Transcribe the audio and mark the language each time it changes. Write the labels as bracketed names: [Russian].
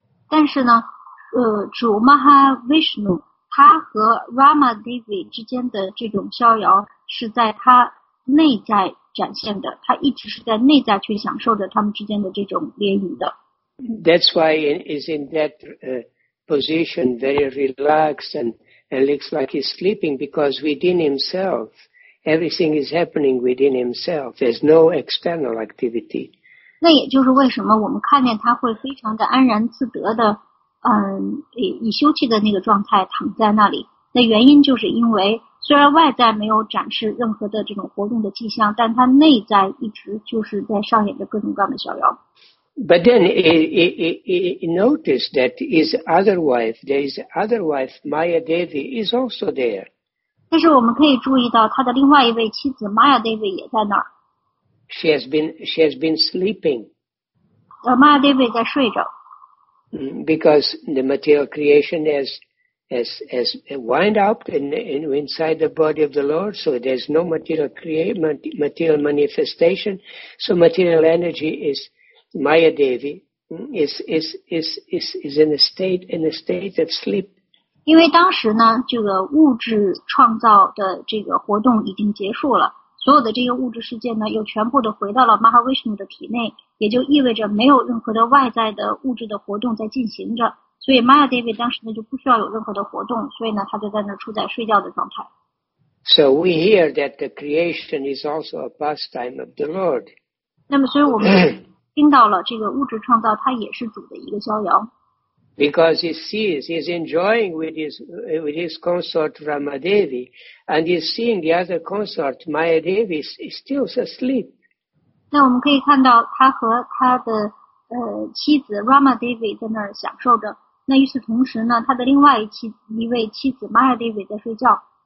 [Chinese] 但是呢，主 Mahavishnu 他和 Rama Devi 之间的这种逍遥是在他内在展现的，他一直是在内在去享受着他们之间的这种联谊的。 [English] That's why he is in that position, very relaxed, and looks like he's sleeping because within himself, everything is happening within himself. There's no external activity. [Chinese] 那也就是为什么我们看见他会非常的安然自得的，以休憩的那个状态躺在那里。那原因就是因为，虽然外在没有展示任何的这种活动的迹象，但他内在一直就是在上演着各种各样的逍遥。 [English] But then he noticed that there is other wife, Maya Devi is also there. [Chinese] 但是我们可以注意到他的另外一位妻子 Maya Devi 也在那儿。 [English] She has been sleeping. [Chinese] Maya Devi 在睡着。 [English] Because the material creation has wind up inside the body of the Lord, so there's no material creation, material manifestation. So material energy is Maya Devi is in a state of sleep. [Chinese] 因为当时呢，这个物质创造的这个活动已经结束了，所有的这个物质世界呢，又全部的回到了 Mahavishnu 的体内，也就意味着没有任何的外在的物质的活动在进行着，所以 Mahadevi 当时呢就不需要有任何的活动，所以呢他就在那处在睡觉的状态。 [English] So we hear that the creation is also a pastime of the Lord. [Chinese] 那么所以我们听到了这个物质创造它也是主的一个逍遥。 [English] Because he sees, he's enjoying with his consort Ramadevi, and he's seeing the other consort, Mahadevi, is still asleep. [Chinese] 那我们可以看到他和他的妻子 Ramadevi 在那儿享受着，那与此同时呢，他的另外一位妻子 Mahadevi 在睡觉。